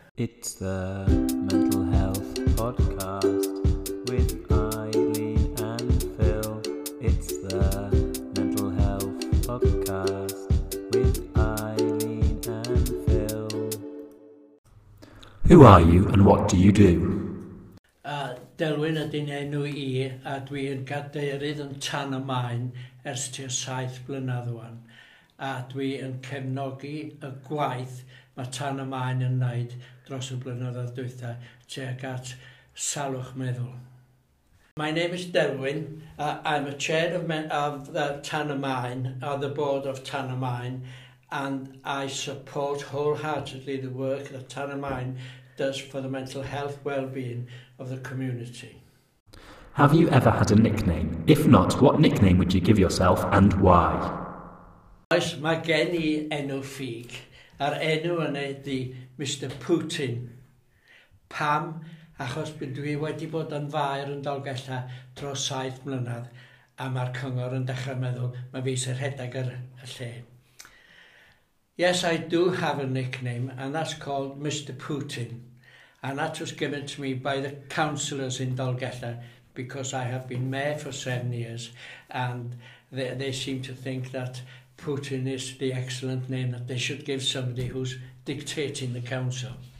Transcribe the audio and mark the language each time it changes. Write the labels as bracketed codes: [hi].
[en] It's the Mental Health Podcast with Eileen and Phil. It's the Mental Health Podcast with Eileen and Phil. Who are you and what do you do? [cy] Delwyn ydy'n enw i, a dwi'n cadeirydd yn tan y maen ers tua 7 blynedd o'n. A dwi'n cefnogi y gwaith mae tan y maen yn wneud dros y blynyddoedd dwytha, tuag at salwch meddwl. [en] My name is Delwyn. I'm a chair of the Tan y Maen, or the board of Tan y Maen, and I support wholeheartedly the work that Tan y Maen does for the mental health well-being of the community. Have you ever had a nickname? If not, what nickname would you give yourself and why? [cy] Oes, mae gen i enw ffug. Yr enw yn ydi Mr Putin. Pam? Achos dwi wedi bod yn fair yn Dolgella dros 7 mlynedd a mae'r cyngor yn dechrau meddwl mae fi sy'n rhedeg ar y lle. [en] Yes, I do have a nickname and that's called Mr Putin. And that was given to me by the councillors in Dolgella because I have been mayor for 7 years and they seem to think that Putin is the excellent name that they should give somebody who's dictating the council.